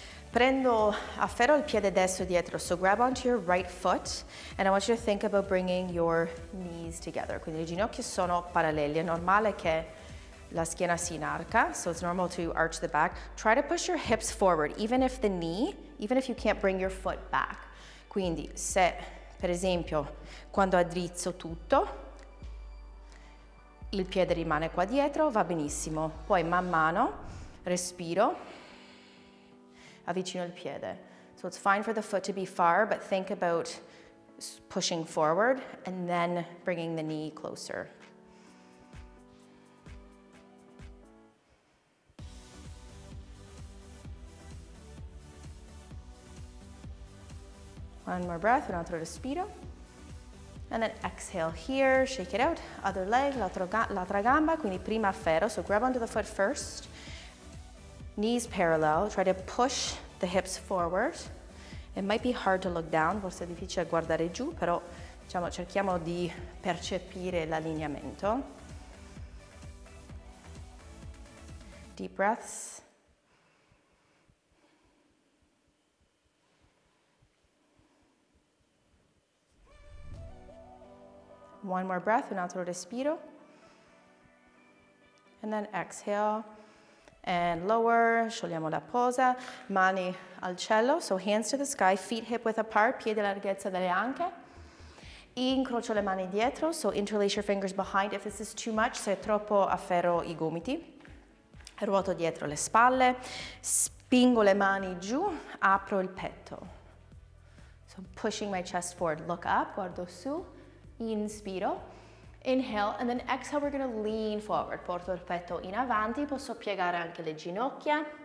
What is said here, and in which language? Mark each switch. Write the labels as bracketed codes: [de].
[it] Prendo, afferro il piede destro dietro, [en] so grab onto your right foot and I want you to think about bringing your knees together. [it] Quindi le ginocchia sono parallele, è normale che la schiena si inarca, [en] so it's normal to arch the back. Try to push your hips forward, even if the knee, even if you can't bring your foot back. [it] Quindi se, per esempio, quando addrizzo tutto, il piede rimane qua dietro, va benissimo. Poi man mano, respiro, avvicino il piede. [en] So it's fine for the foot to be far, but think about pushing forward and then bringing the knee closer. One more breath, [it] un altro respiro. [en] And then exhale here, shake it out. Other leg, [it] l'altra gamba, quindi prima afferro. [en] So grab onto the foot first. Knees parallel, try to push the hips forward. It might be hard to look down, [it] forse è difficile guardare giù, però diciamo, cerchiamo di percepire l'allineamento. [en] Deep breaths. One more breath, [it] un altro respiro. [en] And then exhale. And lower, [it] sciogliamo la posa. Mani al cielo, [en] so hands to the sky, feet hip width apart, [it] piedi larghezza delle anche. Incrocio le mani dietro, [en] so interlace your fingers behind. If this is too much, [it] se è troppo, afferro I gomiti. Ruoto dietro le spalle, spingo le mani giù, apro il petto. [en] So pushing my chest forward, look up, [it] guardo su. [en] Inspiro, inhale, and then exhale, we're gonna lean forward. [it] Porto il petto in avanti, posso piegare anche le ginocchia.